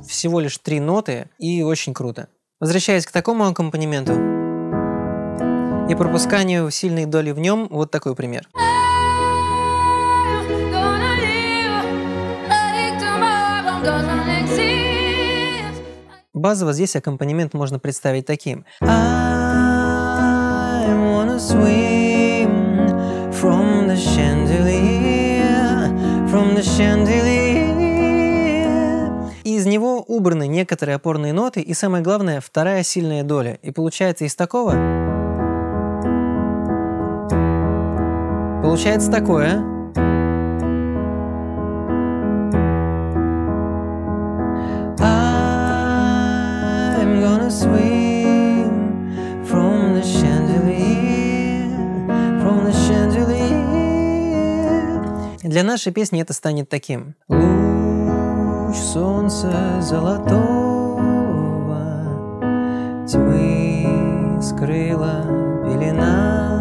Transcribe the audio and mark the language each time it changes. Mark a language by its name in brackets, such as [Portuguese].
[Russian] Всего лишь три ноты, и очень круто. Возвращаясь к такому аккомпанементу, и пропусканию сильной доли в нем вот такой пример. Базово здесь аккомпанемент можно представить таким. [English] I wanna swim from the chandelier, from the chandelier. [Russian] Из него убраны некоторые опорные ноты и, самое главное, вторая сильная доля. И получается из такого... Получается такое. [English] I'm gonna swim from the chandelier, from the chandelier. [Russian] Для нашей песни это станет таким. Луч солнца золотого тьмы скрыла пелена.